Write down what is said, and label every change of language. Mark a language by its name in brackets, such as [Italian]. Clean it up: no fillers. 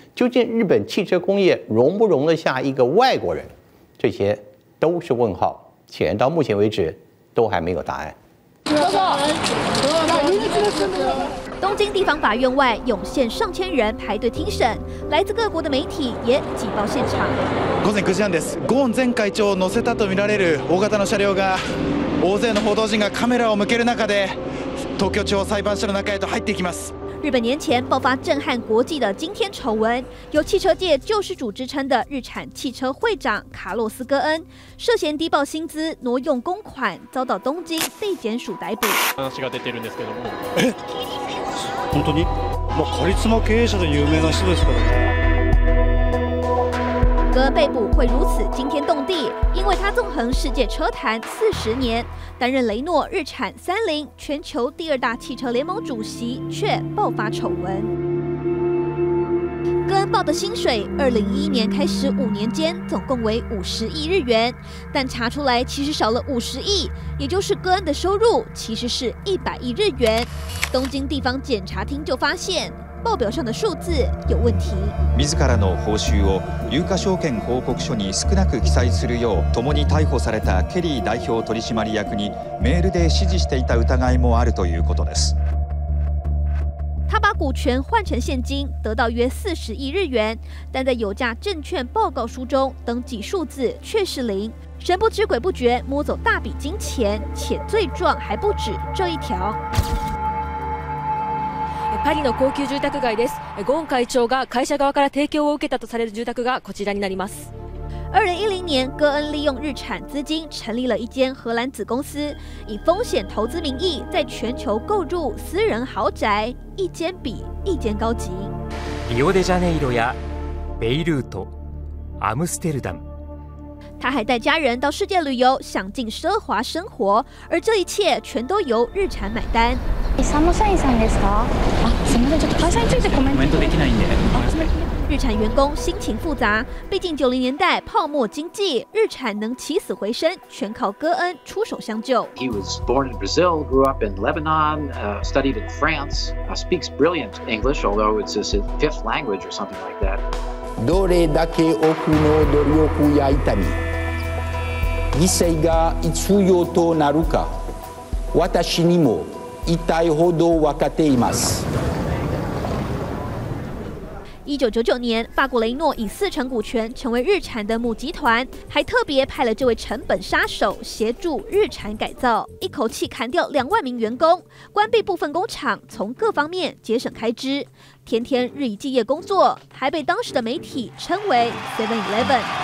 [Chinese] 究竟日本汽车工业容不容得下一个外国人？这些都是问号，显然到目前为止都还没有答案。东京地方法院外涌现上千人排队听审，来自各国的媒体也挤爆现场。 [Japanese] 午前9時半です。ゴーン前会長を乗せたとみられる大型の車両が、大勢の報道陣がカメラを向ける中で、東京地方裁判所の中へと入っていきます。 [Chinese] 日本年前爆发震撼国际的惊天丑闻，由汽车界救世主之称的日产汽车会长卡洛斯·戈恩涉嫌低报薪资、挪用公款，遭到东京地检署逮捕。 [Japanese] 話が出てるんですけども、本当に、まあカリスマ経営者で有名な人ですからね。 [Chinese] 戈恩被捕会如此惊天动地，因为他纵横世界车坛40年，担任雷诺、日产、三菱全球第二大汽车联盟主席，却爆发丑闻。戈恩报的薪水，2011年开始5年间，总共为50亿日元，但查出来其实少了50亿，也就是戈恩的收入其实是100亿日元。东京地方检察厅就发现。报表上的数字有问题。 [Japanese] 自らの報酬を有価証券報告書に少なく記載するよう、共に逮捕されたケリー代表取締役にメールで指示していた疑いもあるということです。 [Chinese] 他把股权换成现金，得到约40亿日元，但在有价证券报告书中登记数字却是零。神不知鬼不觉摸走大笔金钱，且罪状还不止这一条。 [Japanese] パリの高級住宅街です。ゴーン会長が会社側から提供を受けたとされる住宅がこちらになります。 [Chinese] 2010年、戈恩利用日产资金成立了一间荷兰子公司，以风险投资名义在全球购入私人豪宅，一间比一间高级。 [Japanese] リオデジャネイロやベイルート、アムステルダム。 [Chinese] 他还带家人到世界旅游，享尽奢华生活，而这一切全都由日产买单。 [Japanese] サムサインさんですか？すみません、ちょっと会社についてコメントできないんで。 [Chinese] 日产员工心情复杂，毕竟90年代泡沫经济，日产能起死回生，全靠戈恩出手相救。 [English] He was born in Brazil, grew up in Lebanon, studied in France, speaks brilliant English, although it's his fifth language or something like that. [Japanese] どれだけ奥の努力や痛み、犠牲が必要となるか、私にも痛いほど分かっています。 [Chinese] 1999年，法国雷诺以40%股权成为日产的母集团，还特别派了这位成本杀手协助日产改造，一口气砍掉20000名员工，关闭部分工厂，从各方面节省开支，天天日以继夜工作，还被当时的媒体称为 7-11。